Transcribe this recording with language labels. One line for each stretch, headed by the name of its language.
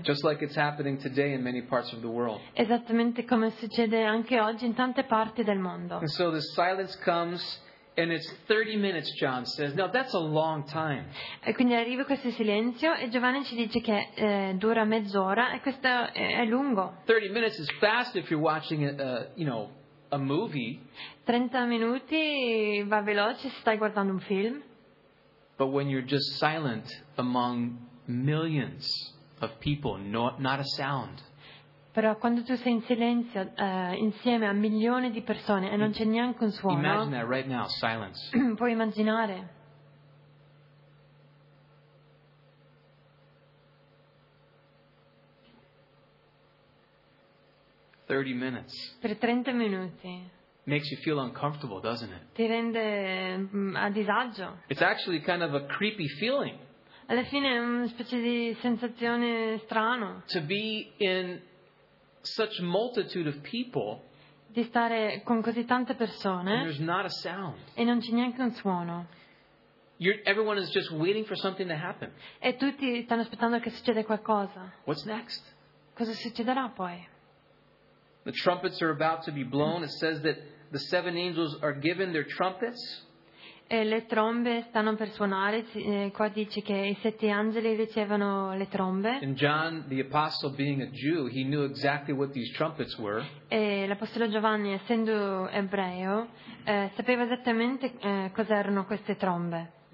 English: Just like it's happening today in many parts of the world.
Italian: Esattamente come succede anche oggi in tante parti del mondo.
English: And so the silence comes. And it's 30 minutes, John says. Now that's a long time.
Italian: E quindi arriva questo silenzio e Giovanni ci dice che dura mezz'ora e questo è lungo.
English: 30 minutes is fast if you're watching a movie.
Italian: 30 minuti va veloce se stai guardando un film.
English: But when you're just silent among millions of people, not a sound.
Italian: Però quando tu sei in silenzio insieme a milioni di persone e non c'è neanche un suono.
English: Imagine that right now, silence.
Italian: Puoi immaginare. Per 30 minuti.
English: Makes you feel uncomfortable, doesn't it?
Italian: Ti rende a disagio.
English: It's actually kind of a creepy feeling.
Italian: Alla fine è una specie di sensazione strana.
English: To be in such multitude of people,
Italian: di stare con così tante persone,
English: and there's not a sound.
Italian: E non c'è neanche un suono.
English: Everyone is just waiting for something to happen.
Italian: E tutti stanno aspettando che succeda qualcosa.
English: What's next?
Italian: Cosa succederà poi?
English: The trumpets are about to be blown. It says that the seven angels are given their trumpets.
Italian: E le trombe stanno per suonare. Qua dice che i sette angeli ricevono le trombe.
English: And John, the apostle, being a Jew, he knew exactly what these trumpets were.
Italian: E l'apostolo Giovanni, essendo ebreo, sapeva esattamente cos'erano queste trombe.